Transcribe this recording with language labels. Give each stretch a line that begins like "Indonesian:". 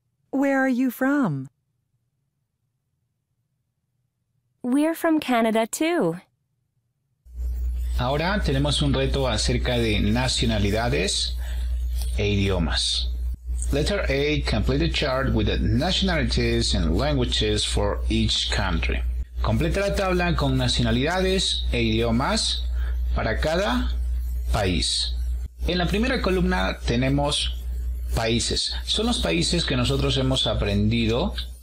English: Where are you from? We're from Canada too.
Spanish: Ahora tenemos un reto acerca de nacionalidades e idiomas.
English: Letter A, complete the chart with the nationalities and languages for each country.
Spanish: Completa la tabla con nacionalidades e idiomas para cada país. En la primera columna tenemos países. Son los países que nosotros hemos aprendido.